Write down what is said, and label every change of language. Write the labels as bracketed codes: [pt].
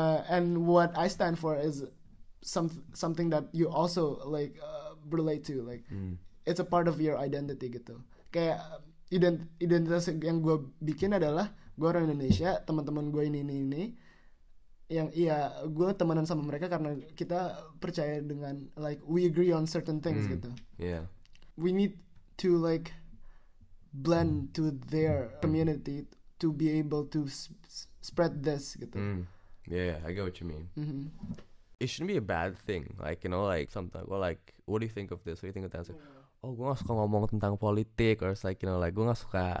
[en] And what I stand for is something that you also like relate to, like it's a part of your identity gitu. [id] Kayak identitas yang gue bikin adalah gue orang Indonesia, teman-teman gue ini yang iya gue temenan sama mereka karena kita percaya dengan like we agree on certain things gitu. [en] Yeah. We need to like blend to their community to be able to spread this gitu. Yeah, I get what you mean. Mm-hmm. It shouldn't be a bad thing, like you know, like sometimes or like what do you think of this? What do you think of that? [id] Like, oh, gue gak suka ngomong tentang politik or it's like you know, like gue gak suka